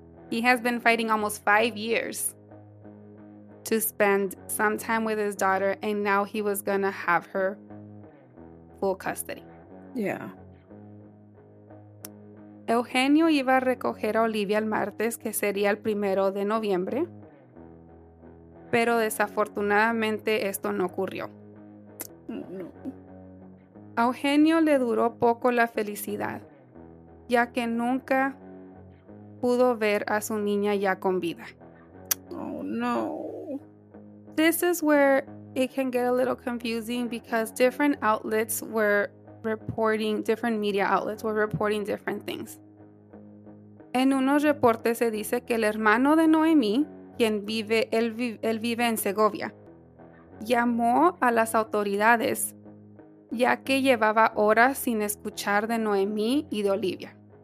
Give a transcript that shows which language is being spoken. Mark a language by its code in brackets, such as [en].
[en] He has been fighting almost 5 years to spend some time with his daughter, and now he was going to have her full custody. Yeah. [es] Eugenio iba a recoger a Olivia el martes, que sería el primero de noviembre, pero desafortunadamente esto no ocurrió. [en] No. [es] A Eugenio le duró poco la felicidad, ya que nunca pudo ver a su niña ya con vida. [en] Oh, no. This is where it can get a little confusing because different outlets were reporting, different media outlets were reporting different things. [es] En unos reportes se dice que el hermano de Noemí, quien vive, él vive en Segovia, llamó a las autoridades, ya que llevaba horas sin escuchar de Noemí y de Olivia.